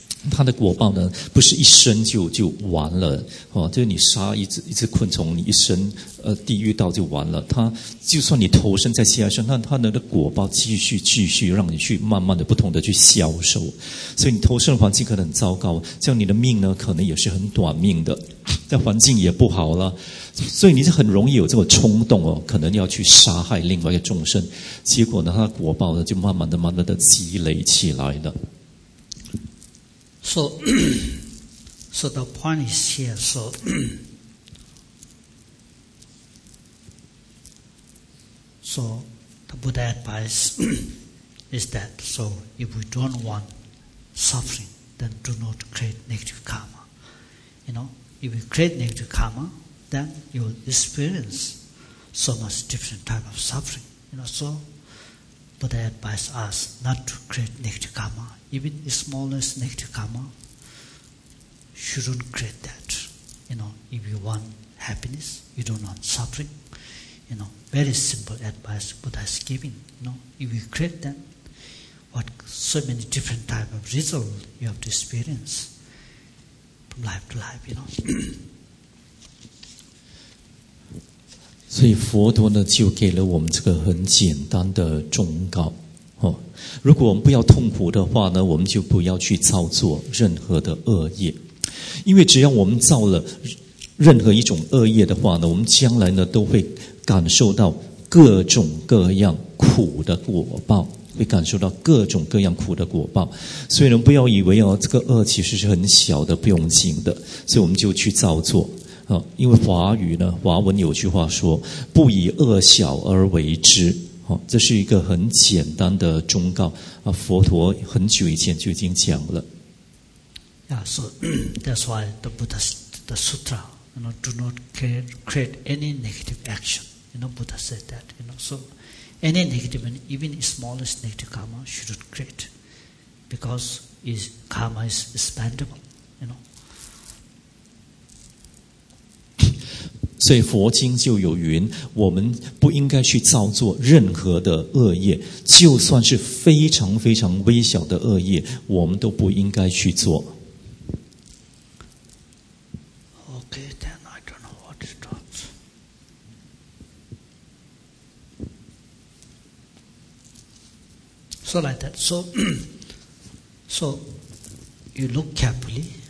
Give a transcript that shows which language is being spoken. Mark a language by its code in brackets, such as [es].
[zh] 他的果报呢不是一生就完了，哦，就是你杀一只昆虫你一生地狱道就完了，他就算你投身在下一生，他的果报继续让你去慢慢的不同的去消受，所以你投身的环境可能很糟糕，这样你的命呢可能也是很短命的，在环境也不好了，所以你是很容易有这个冲动，哦，可能要去杀害另外一个众生，结果呢他的果报呢就慢慢的积累起来了。 [en] So the point is here, so so the Buddha advice is that, so if we don't want suffering, then do not create negative karma. You know, if we create negative karma, then you will experience so much different type of suffering. You know, so Buddha advise us not to create negative karma. Even the smallest negative karma shouldn't create that. You know, if you want happiness, you don't want suffering. You know, very simple advice Buddha is giving. You know, if you create that, what so many different types of results you have to experience from life to life, you know. [zh] 所以佛陀呢就给了我们这个很简单的忠告。如果我们不要痛苦的话呢，我们就不要去造作任何的恶业，因为只要我们造了任何一种恶业的话呢，我们将来呢都会感受到各种各样苦的果报，会感受到各种各样苦的果报，所以呢不要以为，哦，这个恶其实是很小的，不用紧的，所以我们就去造作，哦，因为华语呢华文有句话说，不以恶小而为之，这是一个很简单的忠告，啊，佛陀很久以前就已经讲了。 [en] Yeah, so that's why the Buddha, the sutra, you know, do not create any negative action. You know, Buddha said that. You know, so any negative, even smallest negative karma, shouldn't create, because karma is expandable. You know. [zh] 所以佛经就有云，我们不应该去造作任何的恶业，就算是非常非常微小的恶业，我们都不应该去做。 [en] Okay, then I don't know what it does. So like that. So you look carefully.